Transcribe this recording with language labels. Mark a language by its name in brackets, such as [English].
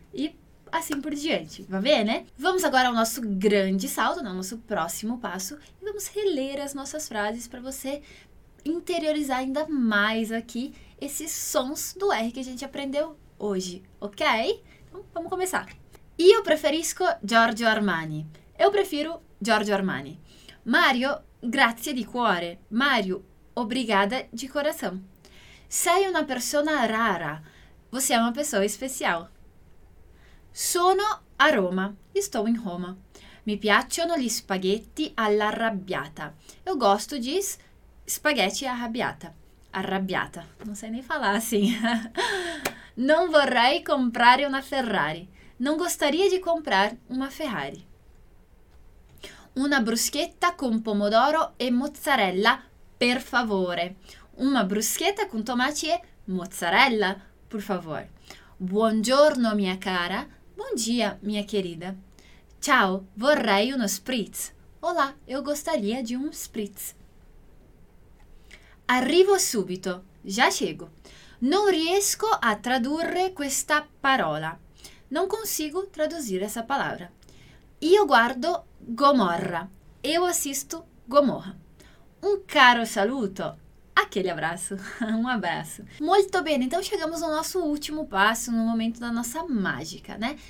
[Portuguese] E assim por diante. Vai ver, né? Vamos agora ao nosso grande salto, né? Nosso próximo passo. E vamos reler as nossas frases para você interiorizar ainda mais aqui esses sons do R que a gente aprendeu hoje, ok? Então, vamos começar. [Italian] Io preferisco Giorgio Armani. [Portuguese] Eu prefiro Giorgio Armani. Mario, [Italian] grazie di cuore. [Portuguese] Mario, obrigada de coração. [Italian] Sei una persona rara. [Portuguese] Você é uma pessoa especial. [Italian] Sono a Roma. [Portuguese] Estou em Roma. [Italian] Mi piacciono gli spaghetti all'arrabbiata. [Portuguese] Eu gosto di spaghetti arrabbiata. [Italian] Arrabbiata. Non sai [Portuguese] nem falar assim. [Italian] Non vorrei comprare una Ferrari. [Portuguese] Não gostaria de comprar uma Ferrari. [Italian] Una bruschetta con pomodoro e mozzarella, per favore. [Portuguese] Una bruschetta con tomate e mozzarella, por favor. [Italian] Buongiorno, mia cara. [Portuguese] Bom dia, mia querida. [Italian] Ciao, vorrei uno spritz. [Portuguese] Olá, eu gostaria de um spritz. [Italian] Arrivo subito. [Portuguese] Já chego. [Italian] Non riesco a tradurre questa parola. [Portuguese] Não consigo traduzir essa palavra. [Italian] Io guardo Gomorra. [Portuguese] Eu assisto Gomorra. [Italian] Caro saluto. [Portuguese] Aquele abraço. Um abraço. Muito bem, então chegamos ao nosso último passo, no momento da nossa mágica, né?